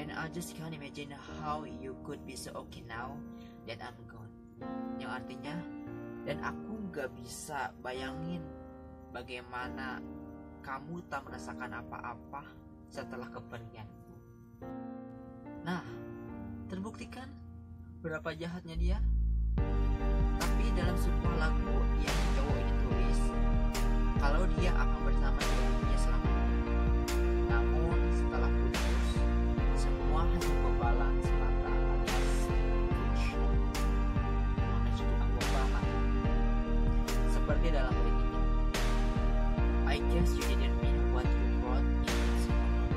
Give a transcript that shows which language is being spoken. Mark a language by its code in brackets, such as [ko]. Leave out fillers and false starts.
[en] Just can't imagine how you could be so okay now that I'm gone. [id] Yang artinya, dan aku gak bisa bayangin bagaimana kamu tak merasakan apa-apa setelah kepergianmu. Nah, terbuktikan berapa jahatnya dia. Tapi dalam sebuah lagu yang cowok ini tulis, kalau dia akan bersama dirinya selamanya. Namun setelah putus, semua hanya pembalas semata alias mana sudah aku paham. Seperti dalam lirik ini, [en] I guess you didn't mean what you wrote in this song.